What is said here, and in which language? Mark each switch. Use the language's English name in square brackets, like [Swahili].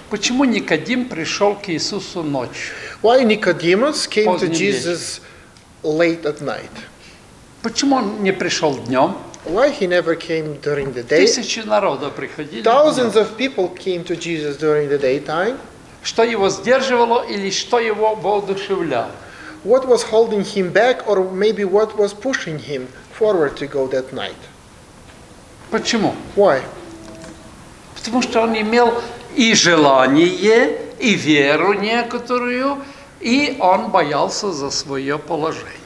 [Russian] Почему Никодим пришел к Иисусу ночью? [English] Why Nicodemus came to Jesus late at night? [Russian] Почему он не пришел днем? [English] Why he never came during the day? [Russian] Тысячи народа приходили. [English] Thousands of people came to Jesus during the daytime. [Russian] Что его сдерживало или что его воодушевляло? [English] What was holding him back or maybe what was pushing him forward to go that night? [Russian] Почему? [English] Why? [Russian] Потому что он имел и желание, и веру некоторую, и он боялся за свое положение.